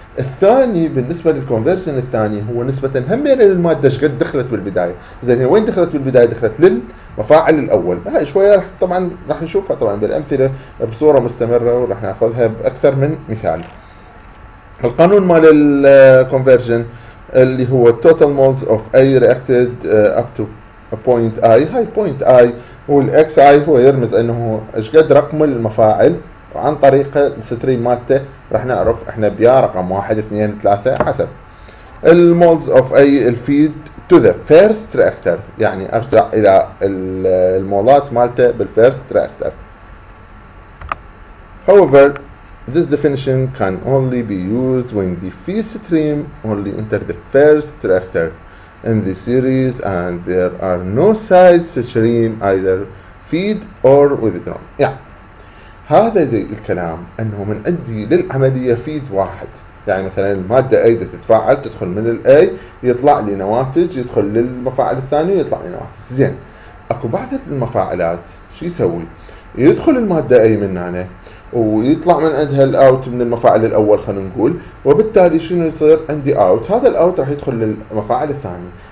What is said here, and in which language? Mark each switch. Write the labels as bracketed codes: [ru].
[ar] الثاني بالنسبة للكونفرجن الثاني هو نسبة همين للمادة شقد دخلت بالبداية. زين، وين دخلت بالبداية؟ دخلت للمفاعل الأول. هاي شوية رح طبعا راح نشوفها طبعا بالأمثلة بصورة مستمرة، وراح ناخذها بأكثر من مثال. القانون مال الكونفرجن اللي هو [en] total moles of A reacted up to point I. [ar] هاي point I والإكس I هو يرمز أنه شقد رقم المفاعل، عن طريق الستريم مالته راح نعرف احنا بيا رقم 1 2 3 حسب. [en] المولز of A الفيد to the first reactor, [ar] يعني ارجع الى المولات مالته بالفيرست ريكتر. [en] However this definition can only be used when the feed stream only enter the first reactor in the series and there are no side stream either feed or withdrawn. [ar] يعني هذا الكلام انه من عندي للعمليه فيد واحد، يعني مثلا الماده اي تتفاعل تدخل من الاي يطلع لي نواتج، يدخل للمفاعل الثاني ويطلع لي نواتج. زين، اكو بعض المفاعلات شو يسوي؟ يدخل الماده اي من هنا ويطلع من عندها الاوت من المفاعل الاول خلينا نقول، وبالتالي شنو يصير؟ عندي اوت، هذا الاوت راح يدخل للمفاعل الثاني.